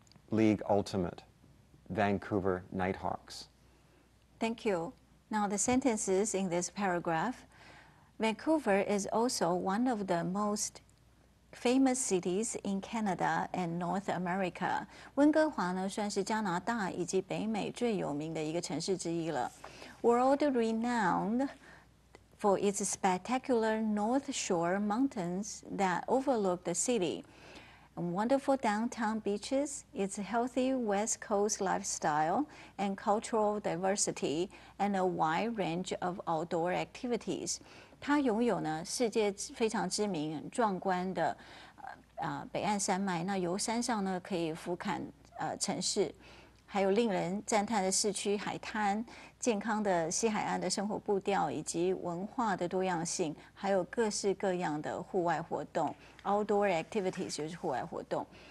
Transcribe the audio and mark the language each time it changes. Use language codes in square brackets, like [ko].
[en] League Ultimate, Vancouver Nighthawks. Thank you. Now the sentences in this paragraph. Vancouver is also one of the most famous cities in Canada and North America. [zh] 温哥华呢，算是加拿大以及北美最有名的一个城市之一了。 [en] World renowned for its spectacular North Shore mountains that overlook the city, and wonderful downtown beaches, its healthy West Coast lifestyle and cultural diversity, and a wide range of outdoor activities. [zh] 它拥有呢世界非常知名壮观的北岸山脉，那由山上呢可以俯瞰城市，还有令人赞叹的市区海滩，健康的西海岸的生活步调，以及文化的多样性，还有各式各样的户外活动 [en] outdoor activities [zh] 就是户外活动。